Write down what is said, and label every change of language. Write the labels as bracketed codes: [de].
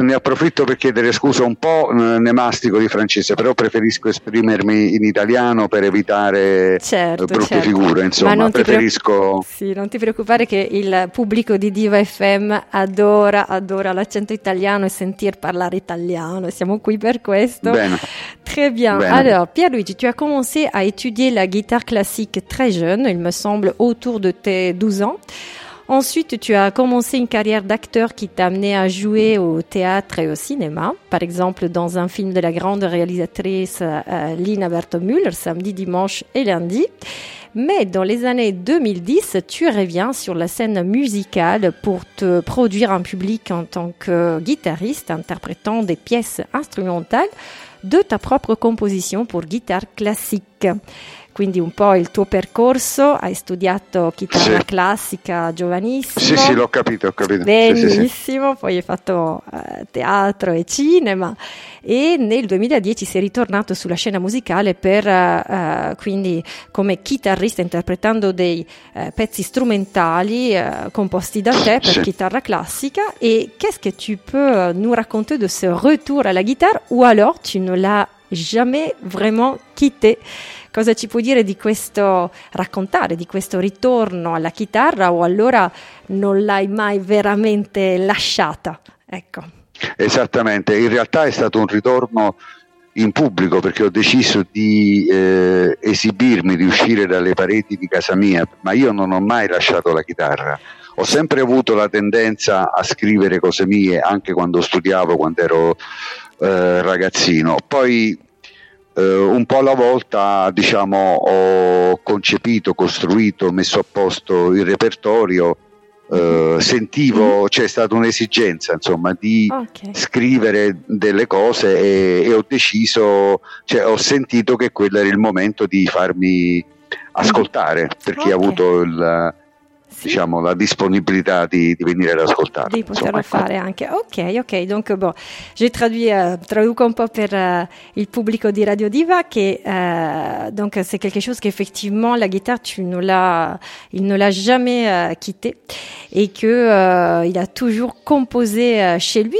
[it] Ne approfitto per chiedere scusa, un po' ne mastico di francese, però preferisco esprimermi in italiano per evitare brutte figure, insomma. Ma non preferisco. Non ti preoccupare che il pubblico di Diva FM adora l'accento italiano e sentir parlare italiano, siamo qui per questo. Bene. [fr] Très bien. [it] Bene. [fr] Alors, Pierluigi, tu as commencé à étudier la guitare classique très jeune, il me semble autour de tes 12 ans. Ensuite, tu as commencé une carrière d'acteur qui t'a amené à jouer au théâtre et au cinéma, par exemple dans un film de la grande réalisatrice Lina Wertmüller, Samedi, Dimanche et Lundi. Mais dans les années 2010, tu reviens sur la scène musicale pour te produire en public en tant que guitariste, interprétant des pièces instrumentales de ta propre composition pour guitare classique. [it] Quindi un po' il tuo percorso, hai studiato chitarra classica giovanissimo. Sì, sì, l'ho capito. Benissimo, poi hai fatto teatro e cinema e nel 2010 sei ritornato sulla scena musicale per quindi come chitarrista interpretando dei pezzi strumentali composti da te per chitarra classica. [fr] E qu'est-ce que tu peux nous raconter de ce retour à la guitare ou alors tu ne l'as jamais vraiment quitté? [it] Cosa ci puoi dire di questo, raccontare di questo ritorno alla chitarra o allora non l'hai mai veramente lasciata? Ecco. Esattamente, in realtà è stato un ritorno in pubblico perché ho deciso di esibirmi, di uscire dalle pareti di casa mia, ma io non ho mai lasciato la chitarra. Ho sempre avuto la tendenza a scrivere cose mie anche quando studiavo, quando ero ragazzino. Poi un po' alla volta, diciamo, ho concepito, costruito, messo a posto il repertorio, sentivo, c'è stata un'esigenza, insomma, di scrivere delle cose e ho deciso, cioè ho sentito che quello era il momento di farmi ascoltare per chi ha avuto il diciamo la disponibilità di venire ad ascoltare, di poterlo fare anche. [fr] Ok, donc bon, je traduis, [it] traduco un po' per il pubblico di Radio Diva che [fr] donc c'est quelque chose che effectivement la guitare il ne l'a jamais quitté et que il a toujours composé chez lui.